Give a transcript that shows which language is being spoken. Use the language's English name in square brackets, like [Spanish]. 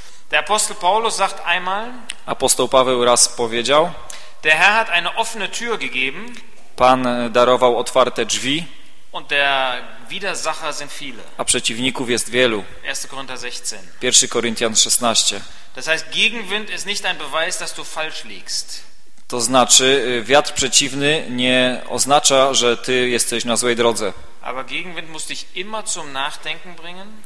[German] Der Apostel Paulus sagt einmal. [Polish] Apostoł Paweł raz powiedział. [German] Der Herr hat eine offene Tür gegeben. [Polish] Pan darował otwarte drzwi. [German] Und der Widersacher sind viele. [Polish] A przeciwników jest wielu. [German] 1. Korinther 16. [Polish] 1. Koryntian 16. [German] Das heißt, Gegenwind ist nicht ein Beweis, dass du falsch liegst. [Polish] To znaczy, wiatr przeciwny nie oznacza, że ty jesteś na złej drodze. [German] Aber Gegenwind muss dich immer zum Nachdenken bringen.